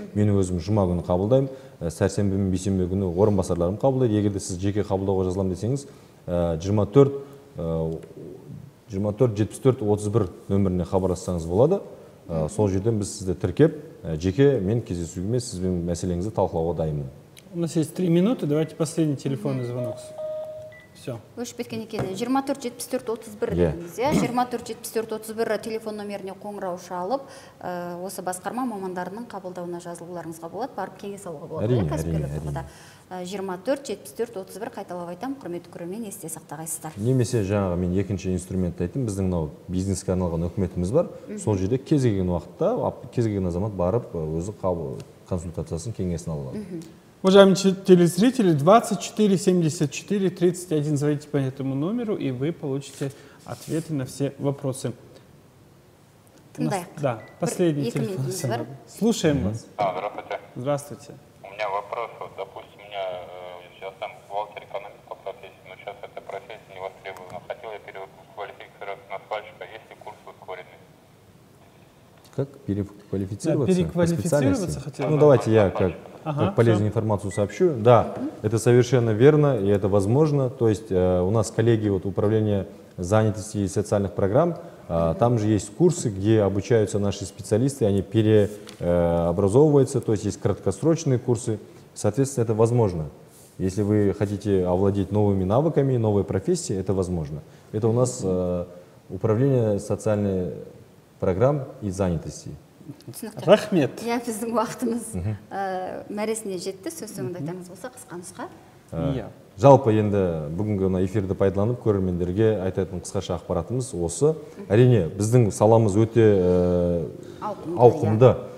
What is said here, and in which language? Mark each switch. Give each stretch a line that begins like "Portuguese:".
Kazakh: Мен өзім жұма күні қабылдаймын, сәрсенбі мен бейсенбі күні орынбасарларым қабылдайды. Егер де сіз жеке қабылдауға жазылам десеңіз, 24-74-31 нөміріне хабарлассаңыз болады. Сол жерден біз сізді тіркеп, жеке мен кездесуіме сізбен мәселеңізді талқылауға дайынмын.
Russian: У нас есть 3 минуты, давайте последний телефонный звонок. Все.
Kazakh: Өшіп кеткен екен. 24-74-31 дейміз, иә? 24-74-31 телефон номеріне қоңырау шалып, осы басқарма мамандарының қабылдауына жазылуларыңызға болады, барып кеңес алуға болады. Әрине, әрине, әрине. 24-74-31 қайталап айтам, құрметті көрермен, есте сақтағайсыздар. Немесе жаңағы мен екінші инструментті айттым, біздің мынау бизнеске арналған үкіметіміз бар. Сол жерде кез келген уақытта кез келген азамат барып, өзі консультациясын, кеңесін ала алады.
Russian: Уважаемые телезрители, 24-74-31, звоните по этому номеру, и вы получите ответы на все вопросы.
Kazakh: Тыңдайық.
Russian: Да, последний телефон. Слушаем вас. Здравствуйте. Здравствуйте. У меня вопрос, допустим, у меня сейчас там бухгалтер экономист по профессии, но сейчас эта профессия не востребована. Хотел я переквалифицироваться на асфальтщика, есть ли курс ускоренный? Как переквалифицироваться? Да, переквалифицироваться хотел. Ну, давайте я как полезную информацию сообщу. Да, это совершенно верно, и это возможно. То есть у нас коллеги управления занятости и социальных программ, там же есть курсы, где обучаются наши специалисты, они переобразовываются, то есть есть краткосрочные курсы. Соответственно, это возможно. Если вы хотите овладеть новыми навыками, новой профессией, это возможно. Это у нас управление социальной программ и занятости.
Kazakh: Рахмет. Я біздің уақытымыз мәресіне жетті, сөз соңында айтамыз болса, қысқа нұсқа. Жалпы енді бүгінгі мына эфирді пайдаланып, көрермендерге айтатын қысқаша ақпаратымыз осы. Әрине, біздің саламыз өте ауқымды.